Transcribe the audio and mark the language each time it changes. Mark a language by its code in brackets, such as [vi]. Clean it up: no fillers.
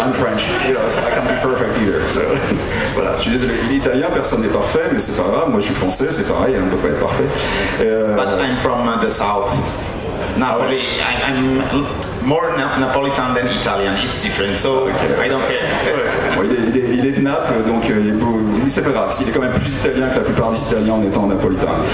[en] I'm French, you know, so I can't be perfect either. [fr] So, voilà, je suis désolé, l'italien, personne n'est parfait, mais c'est pas grave, moi je suis français, c'est pareil, on ne peut pas être parfait. [en] But I'm from the south. Napoli, I'm more Napolitan than Italian, it's different, so okay. I don't care. [fr] Bon, il est de Naples, donc il est beau. C'est pas grave, il est quand même plus italien que la plupart des Italiens en étant napolitain.